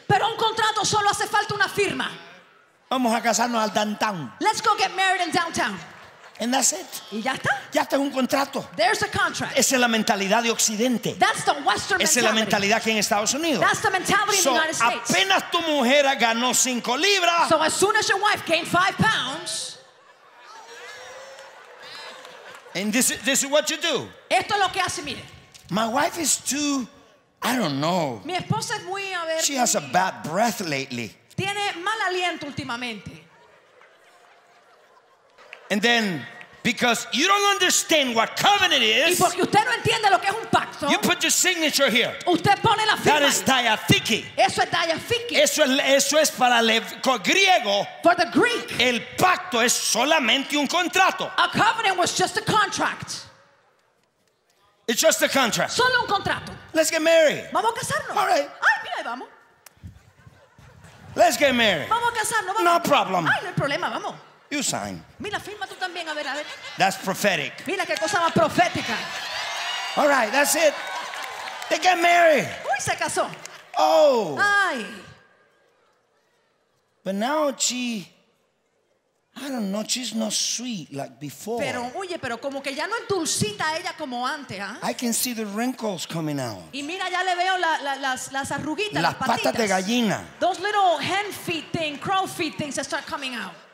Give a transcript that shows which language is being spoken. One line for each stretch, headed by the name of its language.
Spanish: Pero un contrato solo hace falta una firma. Vamos a casarnos al downtown.
English: Let's go get married in downtown. And that's it.
Spanish: Y ya está. Ya está un contrato.
English: There's a contract.
Spanish: Esa es la mentalidad de Occidente.
English: That's the Western mentality.
Spanish: Esa es la mentalidad aquí en Estados Unidos.
English: That's the mentality so in the United States.
Spanish: Apenas tu mujer ganó 5 libras.
English: So as soon as your wife gained 5 pounds. And this is what you do.
Spanish: Esto es lo que hace, mire.
English: My wife is too, I don't know.
Spanish: Mi esposa es muy, a ver,
English: she has a bad breath lately.
Spanish: Tiene mal aliento últimamente.
English: And then, because you don't understand what covenant is,
Spanish: y porque usted no entiende lo que es un pacto,
English: you put your signature here.
Spanish: Usted pone la firma.
English: That is diathiki.
Spanish: Eso es diathiki. Eso es para el griego.
English: For the Greek.
Spanish: El pacto es solamente un contrato.
English: A covenant was just a contract. It's just a contract.
Spanish: Solo un contrato.
English: Let's get married.
Spanish: Vamos a casarnos.
English: All right.
Spanish: Ay, mira, vamos.
English: Let's get married.
Spanish: Vamos a casarnos. Vamos.
English: No problem.
Spanish: Ay, no hay problema, vamos.
English: You sign.
Spanish: Mira, firma tú también, a ver, a ver.
English: That's prophetic.
Spanish: Mira qué cosa más profética.
English: All right, that's it. They get married.
Spanish: Uy, se casó. Oh. Ay.
English: But now she, I don't know, she's not sweet like before.
Spanish: Pero oye, pero como que ya no es dulcita ella como antes, ¿ah?
English: I can see the wrinkles coming out.
Spanish: Y mira, ya le veo las arruguitas, las patitas. Las patas de gallina.
English: Those little hen feet things, crow feet things that start coming out.